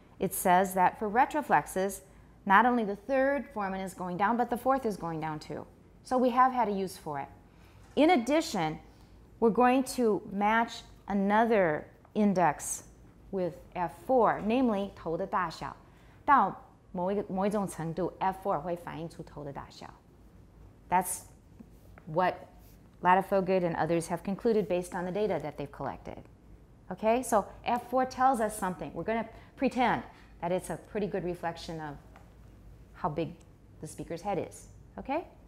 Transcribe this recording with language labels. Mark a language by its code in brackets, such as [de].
[en] It says that for retroflexes, not only the third Forman is going down, but the fourth is going down too. So we have had a use for it. In addition, we're going to match another index with F4, namely [zh] 头的大小. 到某一种程度, F4会反映出头的大小. [en] That's what Latifoged and others have concluded based on the data that they've collected. Okay, so F4 tells us something. We're going to pretend that it's a pretty good reflection of how big the speaker's head is. Okay?